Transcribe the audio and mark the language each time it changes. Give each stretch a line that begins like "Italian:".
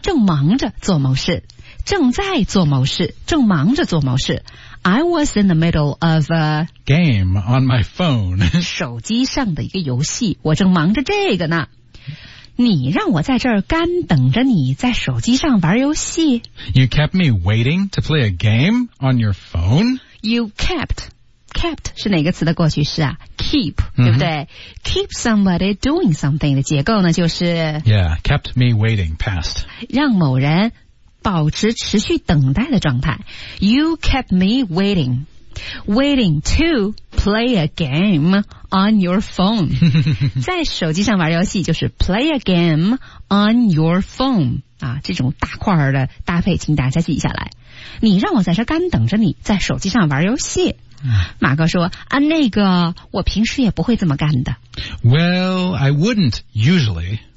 Chinese: 正忙着做某事，正在做某事，正忙着做某事。
English: I was in the middle of a game on my phone.
Chinese: 手机上的一个游戏，我正忙着这个呢。你让我在这儿干等着你在手机上玩游戏。
English: You kept me waiting to play a game on your phone? You kept.
Chinese: Kept 是哪个词的过去式啊？Keep,、mm-hmm. 对不对？
English: Keep somebody doing something
Chinese: 的结构呢就是
English: Yeah, kept me waiting, past.
Chinese: 让某人保持持续等待的状态。
English: You kept me waiting. Waiting to play a game on your phone.
Chinese: 在手机上玩游戏就是
English: play a game on your phone.
Chinese: 啊，这种大块的搭配请大家记下来。你让我在这干等着你在手机上玩游戏。马哥说啊，那个我平时也不会这么干的。
English: Well, I wouldn't usually.